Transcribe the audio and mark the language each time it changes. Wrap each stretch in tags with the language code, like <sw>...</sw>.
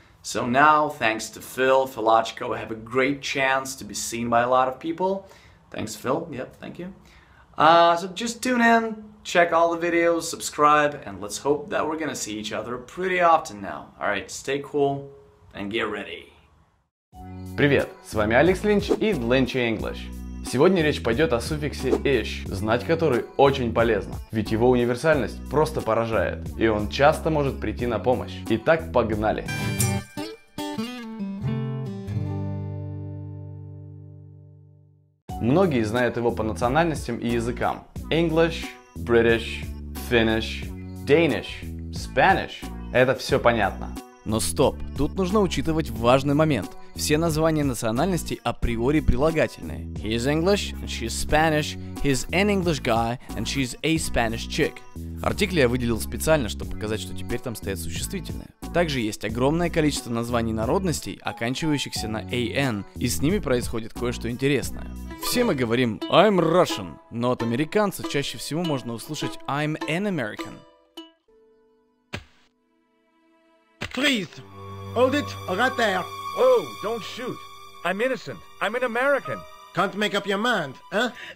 <en>So now, thanks to Phil, Philochko, I have a great chance to be seen by a lot of people. Thanks, Phil. Yep, thank you. So just tune in, check all the videos, subscribe, and let's hope that we're gonna see each other pretty often now. Alright, stay cool and get ready.</en> <ru>Привет, с вами Алекс Линч и Lynch English. Сегодня речь пойдет о суффиксе -ish, знать который очень полезно, ведь его универсальность просто поражает, и он часто может прийти на помощь. Итак, погнали! Многие знают его по национальностям и языкам.</ru> <en>English, British, Finnish, Danish, Spanish.</en> <ru>Это все понятно. Но стоп, тут нужно учитывать важный момент. Все названия национальностей априори прилагательные.</ru> <en>He's English, and she's Spanish, he's an English guy, and she's a Spanish chick.</en> <ru>Артикль я выделил специально, чтобы показать, что теперь там стоят существительные. Также есть огромное количество названий народностей, оканчивающихся на an, и с ними происходит кое-что интересное. Все мы говорим</ru> <en>I'm Russian,</en> <ru>но от американцев чаще всего можно услышать</ru> <en>I'm an American. Please, hold it right there. Oh, don't shoot. I'm innocent. I'm an American. Can't make up your mind, huh?</en>